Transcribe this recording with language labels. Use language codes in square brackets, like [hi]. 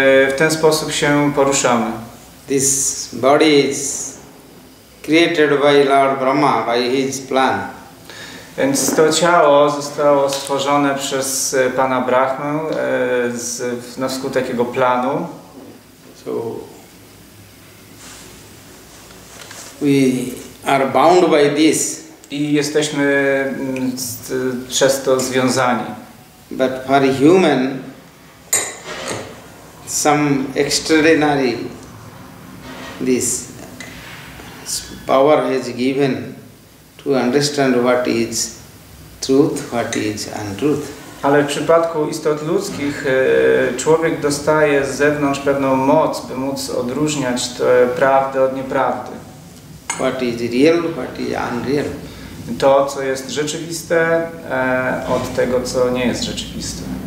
[pl] W ten sposób się poruszamy. [en] This body is created by Lord Brahma, by his plan. [pl] Więc to ciało zostało stworzone przez Pana Brahmę na skutek jego planu. [en] So, we are bound by this. [pl] I jesteśmy przez to związani. [en] But for a human, some extraordinary this power has given to understand what is truth, what is untruth. [pl] Ale w przypadku istot ludzkich człowiek dostaje z zewnątrz pewną moc, by móc odróżniać tę prawdę od nieprawdy. [en] What is real, what is unreal. [pl] To, co jest rzeczywiste, od tego, co nie jest rzeczywiste.